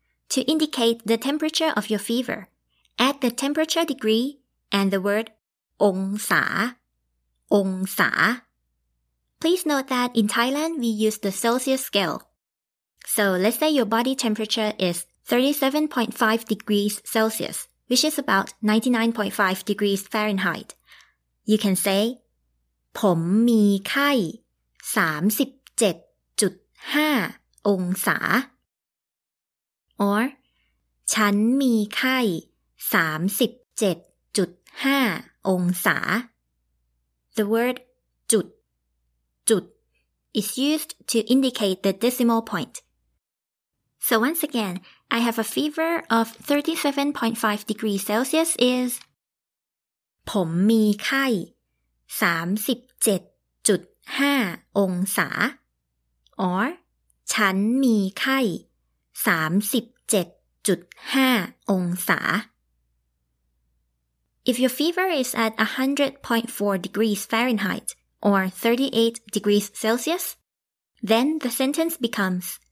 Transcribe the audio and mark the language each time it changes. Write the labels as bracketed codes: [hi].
[en] To indicate the temperature of your fever, add the temperature degree and the word องศา องศาPlease note that in Thailand, we use the Celsius scale. So let's say your body temperature is 37.5 degrees Celsius, which is about 99.5 degrees Fahrenheit. You can say, [th] ผมมีไข้ 37.5 องศา [en] Or, [th] ฉันมีไข้ 37.5 องศา [en] The word จุดจุด is used to indicate the decimal point. So once again, I have a fever of 37.5 degrees Celsius is [th] ผมมีไข้ 37.5 องศา [en] or [th] ฉันมีไข้ 37.5 องศา [en] If your fever is at 100.4 degrees Fahrenheit,or 38 degrees Celsius, then the sentence becomes